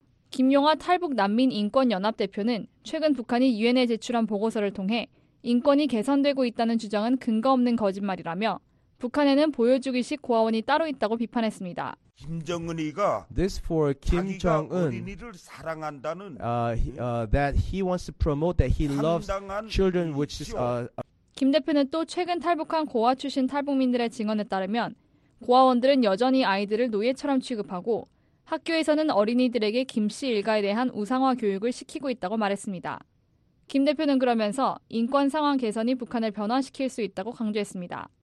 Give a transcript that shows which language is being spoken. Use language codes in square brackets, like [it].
[ko] 김용화 탈북 난민 인권연합 대표는 최근 북한이 유엔에 제출한 보고서를 통해 인권이 개선되고 있다는 주장은 근거 없는 거짓말이라며 북한에는 보여주기식 고아원이 따로 있다고 비판했습니다. 김정은이가 [en] This for Kim Jong-un. [ko] 자기가 어린이를 사랑한다는 [en] That he wants to promote that he loves children which is [ko] 김 대표는 또 최근 탈북한 고아 출신 탈북민들의 증언에 따르면 고아원들은 여전히 아이들을 노예처럼 취급하고 학교에서는 어린이들에게 김 씨 일가에 대한 우상화 교육을 시키고 있다고 말했습니다. 김 대표는 그러면서 인권 상황 개선이 북한을 변화시킬 수 있다고 강조했습니다.